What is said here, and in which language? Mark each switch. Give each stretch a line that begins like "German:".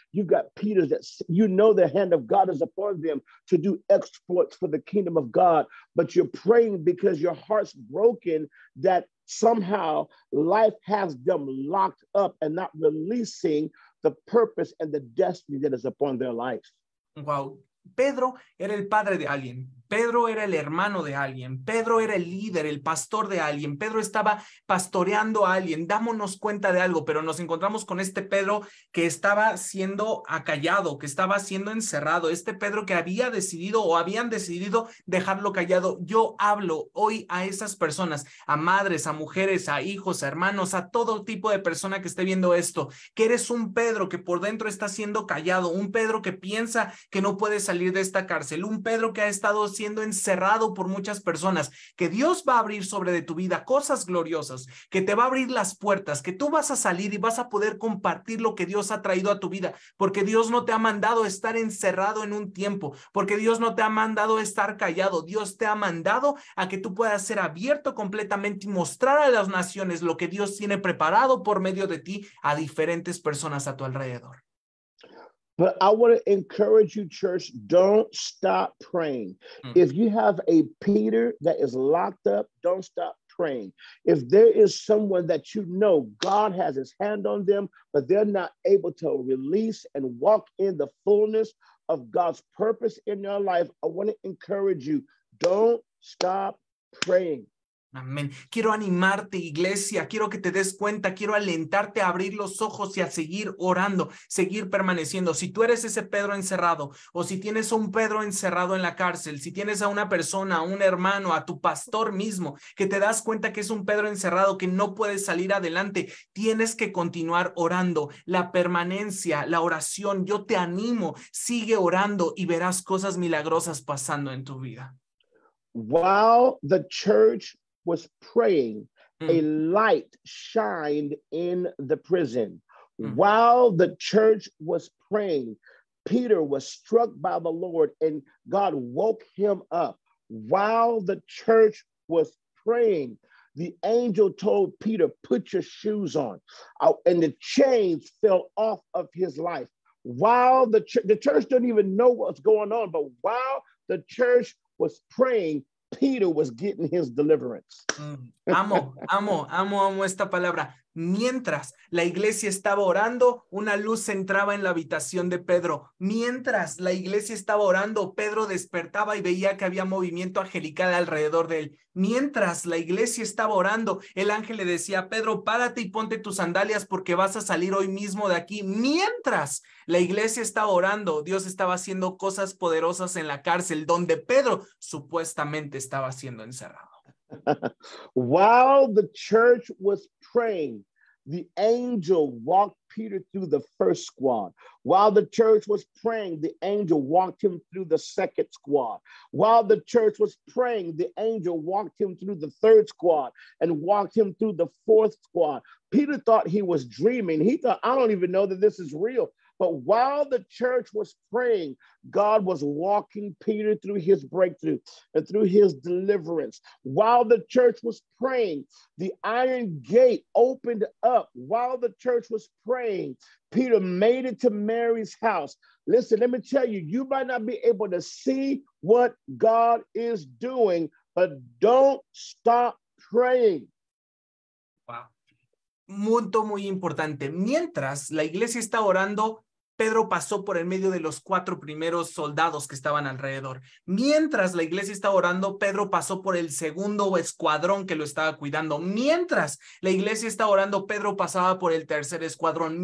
English: You've got Peters that you know the hand of God is upon them to do exploits for the kingdom of God, but you're praying because your heart's broken that somehow life has them locked up and not releasing the purpose and the destiny that is upon their life.
Spanish: Wow. Pedro era el padre de alguien. Pedro era el hermano de alguien. Pedro era el líder, el pastor de alguien. Pedro estaba pastoreando a alguien. Dámonos cuenta de algo, pero nos encontramos con este Pedro que estaba siendo acallado, que estaba siendo encerrado. Este Pedro que había decidido o habían decidido dejarlo callado. Yo hablo hoy a esas personas, a madres, a mujeres, a hijos, a hermanos, a todo tipo de persona que esté viendo esto, que eres un Pedro que por dentro está siendo callado, un Pedro que piensa que no puede salir de esta cárcel, un Pedro que ha estado siendo encerrado por muchas personas, que Dios va a abrir sobre de tu vida cosas gloriosas, que te va a abrir las puertas, que tú vas a salir y vas a poder compartir lo que Dios ha traído a tu vida, porque Dios no te ha mandado estar encerrado en un tiempo, porque Dios no te ha mandado estar callado, Dios te ha mandado a que tú puedas ser abierto completamente y mostrar a las naciones lo que Dios tiene preparado por medio de ti a diferentes personas a tu alrededor.
English: But I want to encourage you, church, don't stop praying. Mm-hmm. If you have a Peter that is locked up, don't stop praying. If there is someone that you know God has his hand on them, but they're not able to release and walk in the fullness of God's purpose in their life, I want to encourage you, don't stop praying.
Spanish: Amén. Quiero animarte, iglesia. Quiero que te des cuenta. Quiero alentarte a abrir los ojos y a seguir orando, seguir permaneciendo. Si tú eres ese Pedro encerrado, o si tienes a un Pedro encerrado en la cárcel, si tienes a una persona, a un hermano, a tu pastor mismo, que te das cuenta que es un Pedro encerrado, que no puedes salir adelante, tienes que continuar orando. La permanencia, la oración, yo te animo. Sigue orando y verás cosas milagrosas pasando en tu vida.
English: While the church was praying, a light shined in the prison. While the church was praying, Peter was struck by the Lord and God woke him up. While the church was praying, the angel told Peter, put your shoes on. And the chains fell off of his life. While the church didn't even know what's going on, but while the church was praying, Peter was getting his deliverance.
Spanish: Amo esta palabra. Mientras la iglesia estaba orando, una luz entraba en la habitación de Pedro. Mientras la iglesia estaba orando, Pedro despertaba y veía que había movimiento angelical alrededor de él. Mientras la iglesia estaba orando, el ángel le decía a Pedro, párate y ponte tus sandalias porque vas a salir hoy mismo de aquí. Mientras la iglesia estaba orando, Dios estaba haciendo cosas poderosas en la cárcel donde Pedro supuestamente estaba siendo encerrado.
English: While the church was praying, the angel walked Peter through the first squad. While the church was praying, the angel walked him through the second squad. While the church was praying, the angel walked him through the third squad and walked him through the fourth squad. Peter thought he was dreaming. He thought, I don't even know that this is real. But while the church was praying, God was walking Peter through his breakthrough and through his deliverance. While the church was praying, the iron gate opened up. While the church was praying, Peter made it to Mary's house. Listen, let me tell you, you might not be able to see what God is doing, but don't stop praying.
Spanish: Wow. Punto muy importante. Mientras la iglesia está orando, Pedro pasó por el medio de los cuatro primeros soldados que estaban alrededor. Mientras la iglesia estaba orando, Pedro pasó por el segundo escuadrón que lo estaba cuidando. Mientras la iglesia estaba orando, Pedro pasaba por el tercer escuadrón.